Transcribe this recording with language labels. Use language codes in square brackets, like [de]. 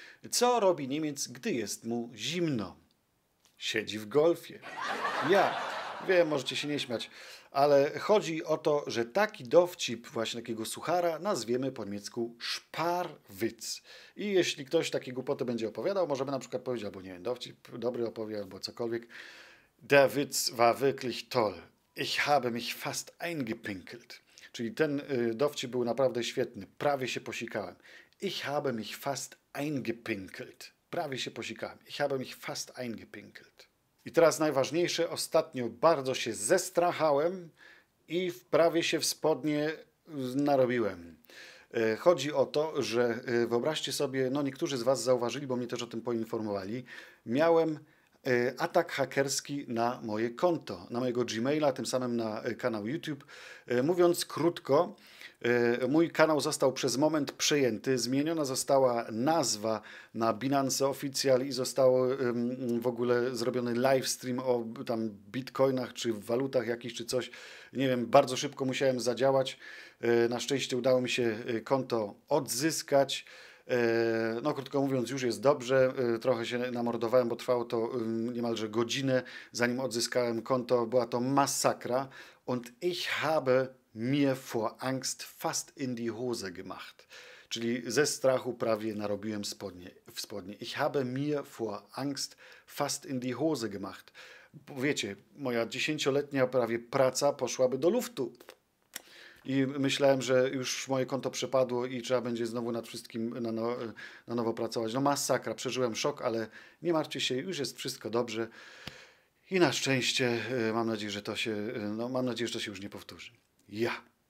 [pl] Co robi Niemiec, gdy jest mu zimno? Siedzi w golfie. Ja. Wiem, możecie się nie śmiać, ale chodzi o to, że taki dowcip właśnie takiego suchara nazwiemy po niemiecku Sparwitz. I jeśli ktoś takie głupoty będzie opowiadał, możemy na przykład powiedzieć, albo nie wiem, dowcip dobry opowie, albo cokolwiek. [de] Der Witz war wirklich toll. Ich habe mich fast eingepinkelt. [pl] Czyli ten dowcip był naprawdę świetny. Prawie się posikałem. [de] Ich habe mich fast eingepinkelt. [pl] Prawie się posikałem. [de] Ich habe mich fast eingepinkelt. [pl] I teraz najważniejsze. Ostatnio bardzo się zestrachałem i prawie się w spodnie narobiłem. Chodzi o to, że wyobraźcie sobie, no niektórzy z was zauważyli, bo mnie też o tym poinformowali. Miałem atak hakerski na moje konto, na mojego Gmaila, tym samym na kanał YouTube. Mówiąc krótko, mój kanał został przez moment przejęty, zmieniona została nazwa na Binance Official i został w ogóle zrobiony livestream o tam bitcoinach czy walutach jakichś czy coś. Nie wiem, bardzo szybko musiałem zadziałać. Na szczęście udało mi się konto odzyskać. No krótko mówiąc, już jest dobrze, trochę się namordowałem, bo trwało to niemalże godzinę, zanim odzyskałem konto, była to masakra. [de] Und ich habe mir vor Angst fast in die Hose gemacht. [pl] Czyli ze strachu prawie narobiłem spodnie. [de] Ich habe mir vor Angst fast in die Hose gemacht. [pl] Bo wiecie, moja 10-letnia prawie praca poszłaby do luftu. I myślałem, że już moje konto przepadło i trzeba będzie znowu nad wszystkim na nowo pracować. No masakra, przeżyłem szok, ale nie martwcie się, już jest wszystko dobrze. I na szczęście mam nadzieję, że to się, no, mam nadzieję, że to się już nie powtórzy. Ja.